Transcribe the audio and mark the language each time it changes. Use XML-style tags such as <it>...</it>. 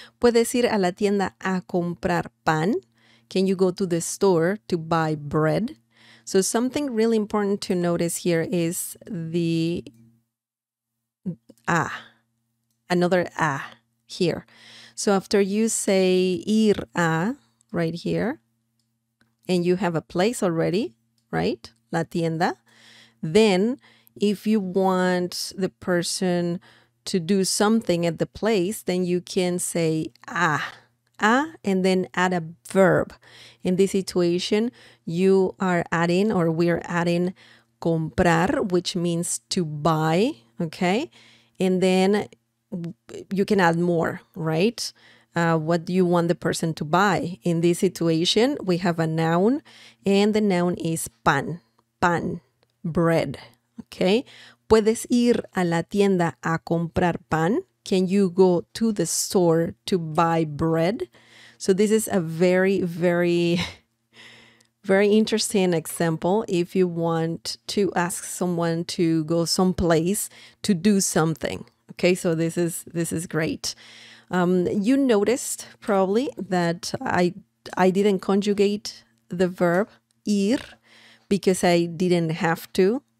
<es>Puedes ir a la tienda a comprar pan.</es> <en>Can you go to the store to buy bread? So something really important to notice here is the a, another a here. So after you say ir a right here, and you have a place already, right?</en> <es>La tienda.</es> <en>Then if you want the person to do something at the place, then you can say a, and then add a verb. In this situation, you are adding, or we're adding, comprar, which means to buy, okay? And then you can add more, right? What do you want the person to buy? In this situation, we have a noun, and the noun is pan, bread, okay?</en> <es>Puedes ir a la tienda a comprar pan.</es> <en>Can you go to the store to buy bread? So this is a very, very, very interesting example. If you want to ask someone to go someplace to do something. Okay, so this is great. You noticed probably that I didn't conjugate the verb ir because I didn't have to.</en>